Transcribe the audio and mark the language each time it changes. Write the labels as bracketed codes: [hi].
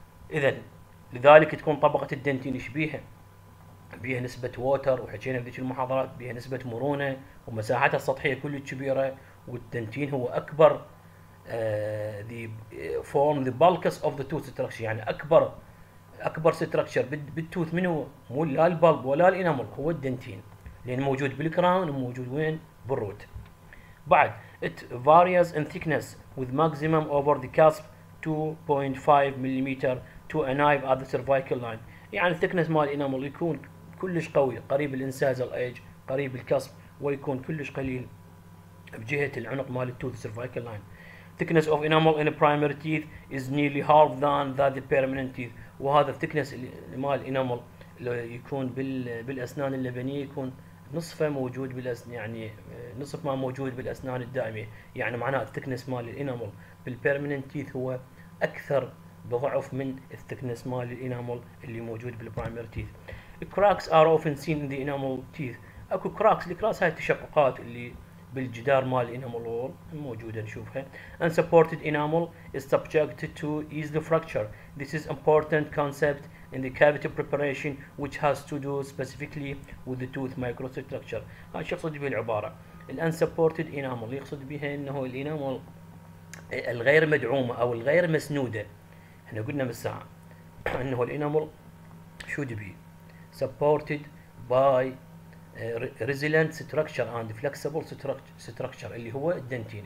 [ar] اذا لذلك تكون طبقة الدنتين ايش بيها؟ بيها نسبة ووتر، وحكينا بذيك المحاضرات، بيها نسبة مرونة ومساحتها السطحية كلش كبيرة، والدنتين هو أكبر [en] the form the bulkus of the tooth structure، [ar] يعني أكبر structure بالتوث منه، مو لا البلب ولا الإنامل، هو الدنتين، لأن موجود بالكراون وموجود وين؟ بالروت. بعد [en] it varies in thickness with maximum over the cusp 2.5 millimeter to a knife at the cervical line. [ar] يعني thickness مال الإنامل يكون كلش قوي، قريب الانسايزل ايج، قريب الكسب، ويكون كلش قليل بجهة العنق مال التوث سيرفايكل لاين. [en] thickness of enamel in primary teeth is nearly half than that of permanent teeth. [ar] وهذا thickness مال الانامل لو يكون بالاسنان اللبنية يكون نصفه موجود بالاسنان، يعني نصف ما موجود بالاسنان الدائمية، يعني معناه thickness مال الانامل بالبيرمننت تيث هو اكثر بضعف من thickness مال الانامل اللي موجود بالبرايمري تيث. [en] cracks are often seen in the enamel teeth. [ar] اكو cracks، الكراس هاي التشققات اللي بالجدار مال الانامل وول موجوده نشوفها. [en] unsupported enamel is subjected to easy fracture. This is important concept in the cavity preparation which has to do specifically with the tooth microstructure. [ar] هاي شو يقصد بالعباره؟ [en] unsupported enamel [ar] يقصد بها انه الانامل الغير مدعومه او الغير مسنوده. احنا قلنا من ساعه انه الانامل شو دبي؟ [en] supported by resilient structure and flexible structure [ar] اللي هو الدنتين.